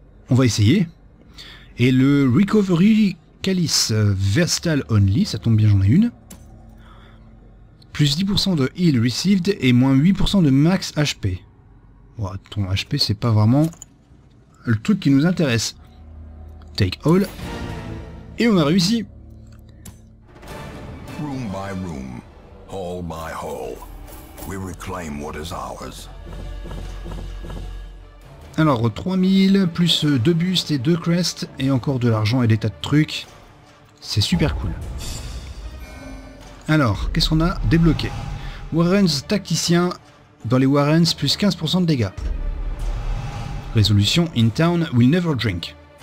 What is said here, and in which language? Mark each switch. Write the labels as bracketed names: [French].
[French] On va essayer. Et le Recovery... Calice Vestal Only, ça tombe bien, j'en ai une. plus 10% de heal received et moins 8% de max HP. Ouah, ton HP, c'est pas vraiment le truc qui nous intéresse. [English] Take all. [French] Et on a réussi. [English] Room by room, hall by hall, we reclaim what is ours. [French] Alors, 3000, plus 2 bustes et 2 crests, et encore de l'argent et des tas de trucs. C'est super cool. Alors, qu'est-ce qu'on a débloqué? Warrens tacticien, dans les Warrens, plus 15% de dégâts. [English] Résolution, in town, will never drink.